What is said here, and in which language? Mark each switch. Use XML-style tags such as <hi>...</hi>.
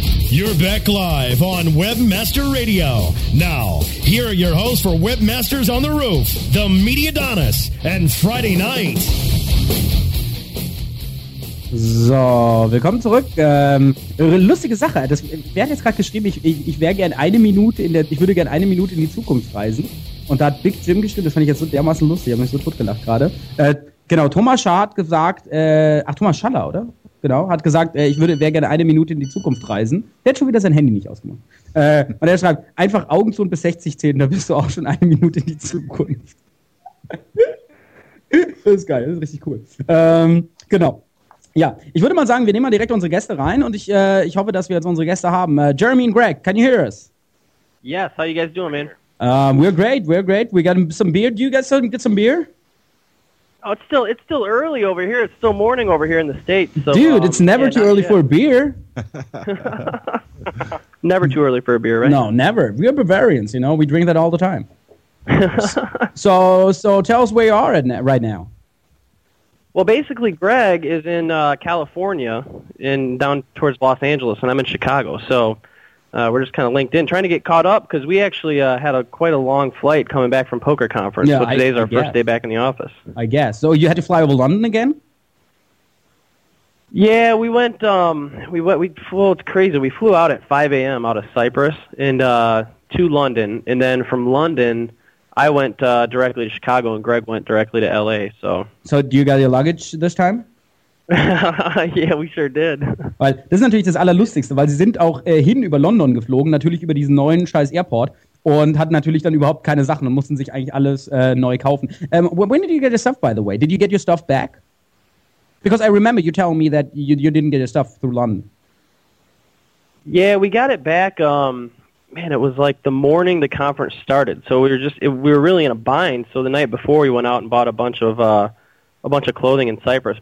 <en>You're back live on Webmaster Radio. Now, here are your hosts for Webmasters on the Roof, the Media Donis, and Friday Night.</en> <de>So, willkommen zurück. Lustige Sache, das wäre jetzt gerade geschrieben, ich würde gerne eine Minute in die Zukunft reisen. Und da hat Big Jim geschrieben, das fand ich jetzt so dermaßen lustig, ich habe mich so totgelacht gerade. Genau, Thomas Schaar hat gesagt, Thomas Schaller, oder? Genau, hat gesagt, ich würde wäre gerne eine Minute in die Zukunft reisen. Der hat schon wieder sein Handy nicht ausgemacht. Und er schreibt, einfach Augen zu und bis 60 zählen, da bist du auch schon eine Minute in die Zukunft. Das ist geil, das ist richtig cool. Genau. Ja, ich würde mal sagen, wir nehmen mal direkt unsere Gäste rein und ich hoffe, dass wir jetzt unsere Gäste haben.</de> <en>Jeremy and Greg, can you hear us? Yes, how you guys doing, man? We're great. We're great. We got some beer. Do you guys get some beer? Oh, it's still early over here. It's still morning over here in the States. So, dude, it's never too early for a beer. Never too early for a beer, right? No, never. We are Bavarians, you know. We drink that all the time. So tell us where you are right now. Well, basically, Greg is in California, down towards Los Angeles, and I'm in Chicago. So we're just kind of linked in, trying to get caught up, because we actually had quite a long flight coming back from Poker Conference. Yeah, so today's our first day back in the office. I guess. So you had to fly over London again? Yeah, we went. It's crazy. We flew out at 5 a.m. out of Cyprus and to London, and then from London, I went directly to Chicago, and Greg went directly to L.A. So do you got your luggage this time? Yeah, we sure did.</en> <de>Weil das ist natürlich das Allerlustigste, weil sie sind auch hin über London geflogen, natürlich über diesen neuen scheiß Airport, und hatten natürlich dann überhaupt keine Sachen und mussten sich eigentlich alles neu kaufen.</de> <en>When did you get your stuff, by the way? Did you get your stuff back? Because I remember you telling me that you didn't get your stuff through London. Yeah, we got it back. Man, it was like the morning the conference started. So we were really in a bind. So the night before, we went out and bought a bunch of clothing in Cyprus.</en>